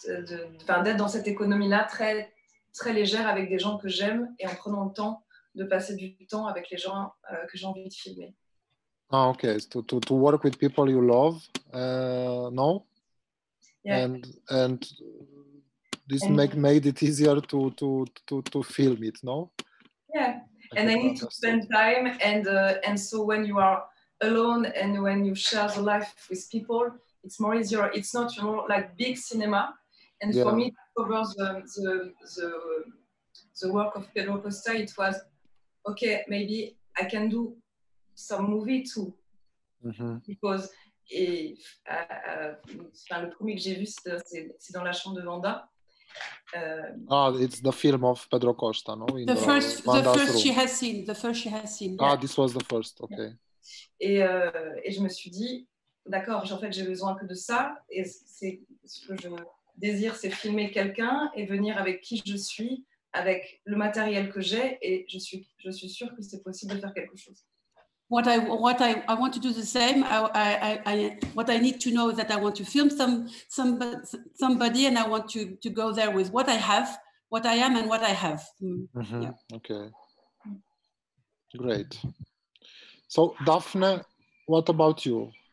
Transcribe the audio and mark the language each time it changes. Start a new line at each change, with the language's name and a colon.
French: D'être dans cette économie là, très très légère avec des gens que j'aime et en prenant le temps de passer du temps avec les gens que j'ai envie de filmer.
English: Ah, okay. So to work with people you love, no. Yeah. And this made it easier to film it, no? Yeah. And I need to spend time, and so when you are alone and when you share the life with people, it's more easier. It's not, you know, like big cinema. And yeah. For me, over the work of Pedro Costa, it was okay. Maybe I can do some movie too, mm-hmm. because the
French: premier que j'ai vu, c'est dans la chambre de Wanda.
English: It's the film of Pedro Costa, no? In the first she has seen. Yeah. Ah, this was the first, okay. Yeah.
French: Et je me suis dit, d'accord, en fait, j'ai besoin que de ça. Et c'est ce que je désire, c'est filmer quelqu'un et venir avec qui je suis, avec le matériel que j'ai, et je suis sûre que c'est possible de faire quelque chose.
English: What I want to do the same. What I need to know is that I want to film somebody, and I want to go there with what I have, what I am, and what I have. Mm-hmm. Yeah. Okay. Great. So, Daphne, what about you?